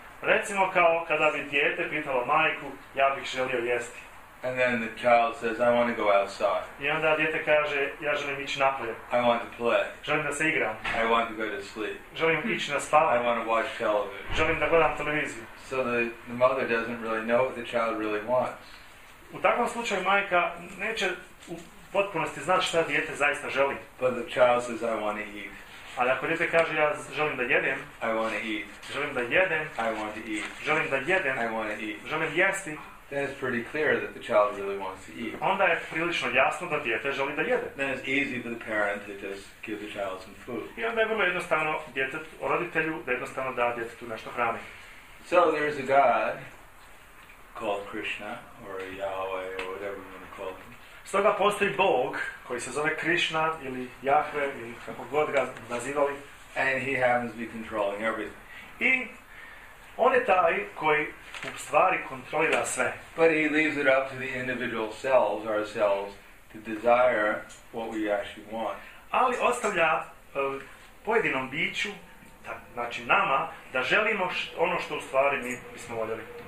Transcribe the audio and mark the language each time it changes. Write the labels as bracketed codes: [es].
[bs] Recimo kao kada bi dijete pitalo majku, ja bih želio jesti. [en] And then the child says, I want to go outside. [bs] I onda dijete kaže, ja želim ići napolje. [en] I want to play. [bs] Želim da se igram. [en] I want to go to sleep. [bs] Želim ići na spavanje. [en] I want to watch television. [bs] Želim da gledam televiziju. [en] So the mother doesn't really know what the child really wants. [bs] U takvom slučaju majka neće u potpunosti znati šta dijete zaista želi. [en] But the child says, I want to eat. [bs] Ali ako dijete kaže, ja želim da jedem. [en] I want to eat. [bs] Želim da jedem. [en] I want to eat. [bs] Želim da jedem. [en] I want to eat. [bs] Želim jesti. [en] Then it's pretty clear that the child really wants to eat. [bs] Onda je prilično jasno da dijete želi da jede. [en] Then it's easy for the parent to just give the child some food. [bs] I onda je vrlo jednostavno djetetu, roditelju da jednostavno da djetetu nešto hrani. [en] So there's a God called Krishna, or Yahweh, or whatever you want to call him. [bs] Stoga postoji Bog, koji se zove Krishna, ili Jahve, ili kako god ga nazivali. [en] And he happens to be controlling everything. [bs] I on je taj koji u stvari kontrolira sve. [en] But he leaves it up to the individual selves, ourselves, to desire what we actually want. [bs] Ali ostavlja pojedinom biću, znači nama, da želimo ono što u stvari mi bismo voljeli.